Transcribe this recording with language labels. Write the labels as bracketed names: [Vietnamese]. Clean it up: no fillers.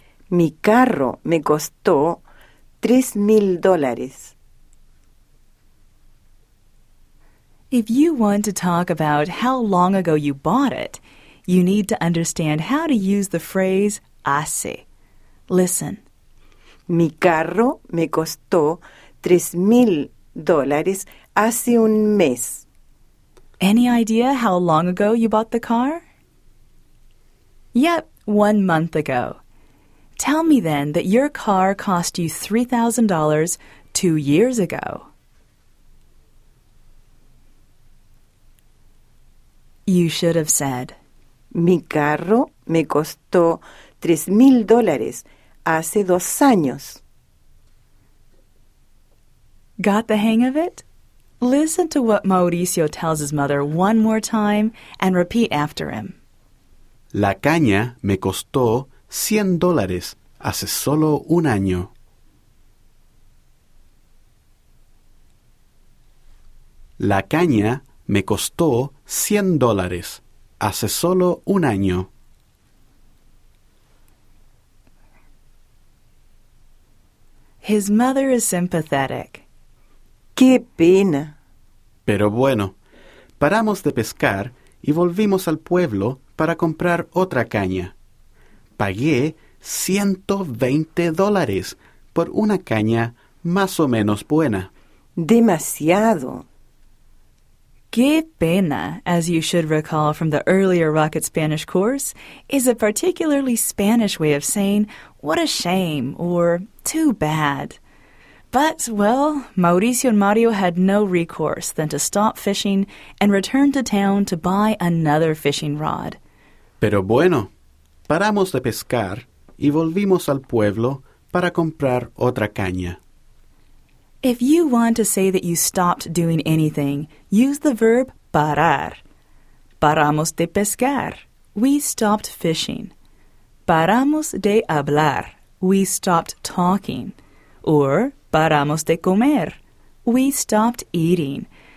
[Spanish] Mi carro me costó $3,000. [English] If you want to talk about how long ago you bought it, you need to understand how to use the phrase hace. Listen. [Spanish] Mi carro me costó $3,000 hace un mes. [English] Any idea how long ago you bought the car? Yep, 1 month ago. Tell me then that your car cost you $3,000 2 years ago. You should have said, [Spanish] Mi carro me costó $3,000 hace 2 años. [English] Got the hang of it? Listen to what Mauricio tells his mother one more time and repeat after him. [Spanish] La caña me costó $100 hace solo un año. La caña me costó $100 hace solo un año. [English] His mother is sympathetic. [Spanish] ¡Qué pena! Pero bueno, paramos de pescar y volvimos al pueblo para comprar otra caña. Pagué $120 por una caña más o menos buena. ¡Demasiado! ¡Qué pena! [English] As you should recall from the earlier Rocket Spanish course, is a particularly Spanish way of saying, what a shame, or too bad. But, well, Mauricio and Mario had no recourse than to stop fishing and return to town to buy another fishing rod. [Spanish] Pero bueno, paramos de pescar y volvimos al pueblo para comprar otra caña. [English] If you want to say that you stopped doing anything, use the verb parar. [Spanish] Paramos de pescar. We stopped fishing. Paramos de hablar. We stopped talking. [English] Or paramos de comer. We stopped eating.